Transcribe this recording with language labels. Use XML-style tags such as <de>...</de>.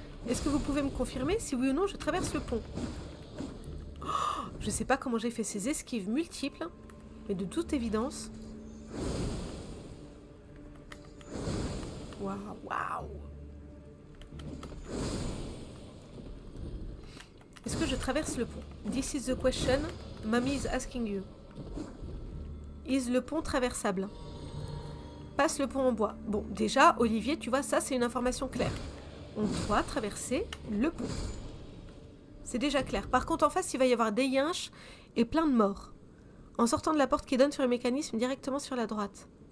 <fr>Est-ce que vous pouvez me confirmer si oui ou non je traverse le pont? Je sais pas comment j'ai fait ces esquives multiples, mais de toute évidence... Waouh, waouh! Est-ce que je traverse le pont?</fr> <en>This is the question, mommy is asking you.</en> <fr>Is le pont traversable? Passe le pont en bois. Bon, déjà, Olivier, tu vois, ça c'est une information claire. On doit traverser le pont. C'est déjà clair. Par contre, en face, il va y avoir des yinches et plein de morts. En sortant de la porte qui donne sur le mécanisme, directement sur la droite.</fr>